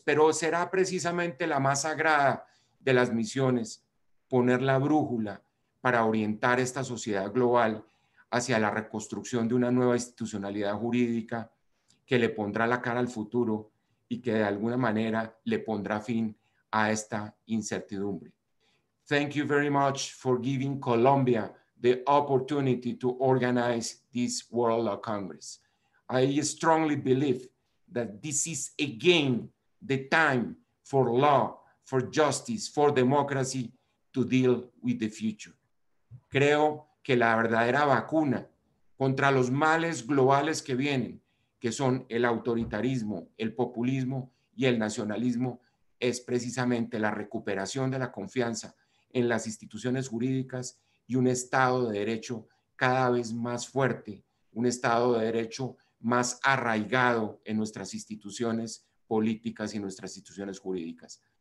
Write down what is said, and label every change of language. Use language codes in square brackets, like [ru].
[es] Pero será precisamente la más sagrada de las misiones poner la brújula para orientar esta sociedad global hacia la reconstrucción de una nueva institucionalidad jurídica que le pondrá la cara al futuro y que de alguna manera le pondrá fin a esta incertidumbre. [en] Thank you very much for giving Colombia the opportunity to organize this World Law Congress. I strongly believe that this is again the time for law, for justice, for democracy to deal with the future. [es] Creo que la verdadera vacuna contra los males globales que vienen, que son el autoritarismo, el populismo y el nacionalismo, es precisamente la recuperación de la confianza en las instituciones jurídicas y un Estado de Derecho cada vez más fuerte, un Estado de Derecho más arraigado en nuestras instituciones políticas y en nuestras instituciones jurídicas.